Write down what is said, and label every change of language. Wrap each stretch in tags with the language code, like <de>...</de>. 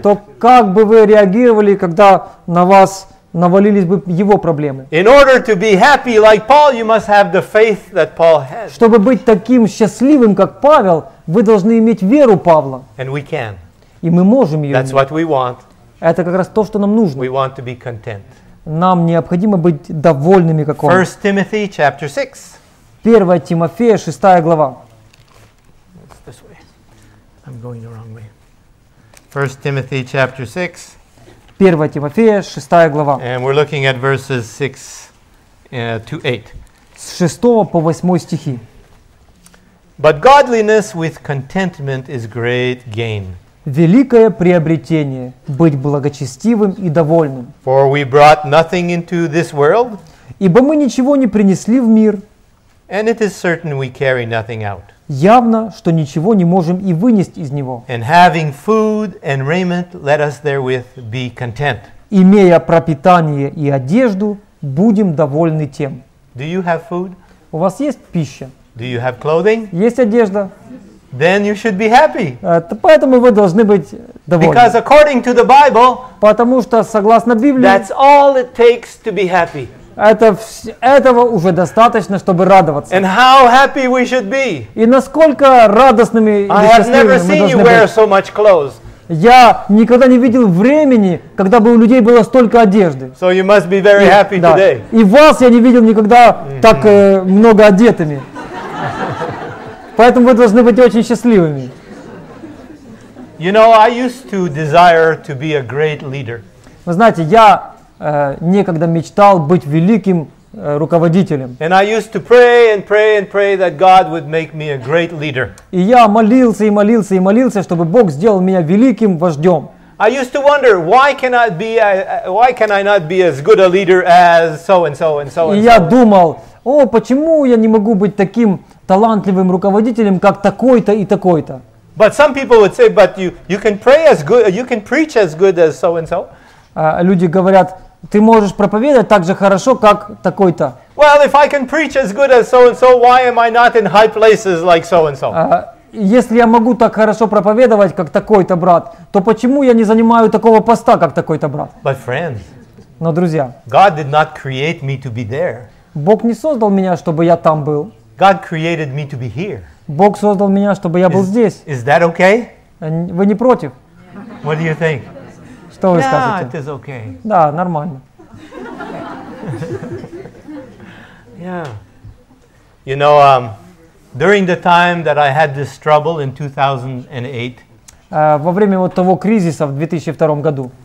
<ru>То как бы вы реагировали, когда на вас навалились бы его проблемы?</ru> <en>In order to be happy like Paul, you must have the faith that Paul had.</en> <ru>Чтобы быть таким счастливым, как Павел, вы должны иметь веру Павла.</ru> <en>And we can.</en> <ru>И мы можем ее.</ru> <en>That's what we want.</en> <ru>Это как раз то, что нам нужно.</ru> <en>We want to be content.</en> <ru>Нам необходимо быть довольными, как он.</ru> <en>1 Timothy chapter 6.</en> <ru>1 Тимофея, 6 глава.</ru> <en>This way. I'm going the wrong way. 1 Timothy chapter 6.</en> <ru>1 Тимофея, 6 глава.</ru> <en>And we're looking at verses 6 to 8.</en> <ru>С 6 по 8 стихи.</ru> <en>But godliness with contentment is great gain.</en> <ru>Великое приобретение – быть благочестивым и довольным.</ru> <en>For we brought nothing into this world,</en> <ru>ибо мы ничего не принесли в мир.</ru> <en>And it is certain we carry nothing out.</en> <ru>Явно, что ничего не можем и вынести из него.</ru> <en>And having food and raiment, let us therewith be content.</en> <ru>Имея пропитание и одежду, будем довольны тем.</ru> <en>Do you have food?</en> <ru>У вас есть пища?</ru> <en>Do you have clothing?</en> <ru>Есть одежда?</ru> <en>Then you should be happy.</en> <ru>Поэтому вы должны быть довольны.</ru> <en>Because according to the Bible,</en> <ru>потому что согласно Библии,</ru> <en>that's all it takes to be happy.</en> <ru>Этого уже достаточно, чтобы радоваться.</ru> <en>And how happy we should be.</en> <ru>И насколько радостными и счастливыми мы должны быть.</ru> <en>I have never seen you wear so much clothes.</en> <ru>Я никогда не видел времени, когда бы у людей было столько одежды.</ru> <en>So you must be very happy today.</en> <ru>И вас я не видел никогда так много одетыми. Поэтому вы должны быть очень счастливыми.</ru> <en>You know, I used to desire to be a great leader.</en> <ru>Вы знаете, я некогда мечтал быть великим руководителем.</ru> <en>And I used to pray and pray and pray that God would make me a great leader.</en> <ru>И я молился и молился и молился, чтобы Бог сделал меня великим вождем.</ru> <en>I used to wonder why can I not be as good a leader as so and so and so and so.</en> <ru>И я думал, почему я не могу быть таким талантливым руководителем, как такой-то и такой-то.</ru> <en>But some people would say, but you can pray as good, you can preach as good as so and so.</en> <ru>Люди говорят, ты можешь проповедовать так же хорошо, как такой-то.</ru> <en>Well, if I can preach as good as so and so, why am I not in high places like so and so?</en> <ru>Если я могу так хорошо проповедовать, как такой-то брат, то почему я не занимаю такого поста, как такой-то брат?</ru> <en>But friends.</en> <ru>Но друзья.</ru> <en>God did not create me to be there.</en> <ru>Бог не создал меня, чтобы я там был.</ru> <en>God created me to be here.</en> <ru>Бог создал меня, чтобы я был здесь.</ru> <en>Is that okay?</en> <ru>Вы не против?</ru> <en>What do you think?</en> <ru>Что вы скажете?</ru> <en>Yeah, it is okay.</en> <ru>Да, нормально.</ru> <en>Yeah. You know, during the time that I had this trouble in 2008,</en> <ru>во время вот того кризиса в 2002 году,</ru>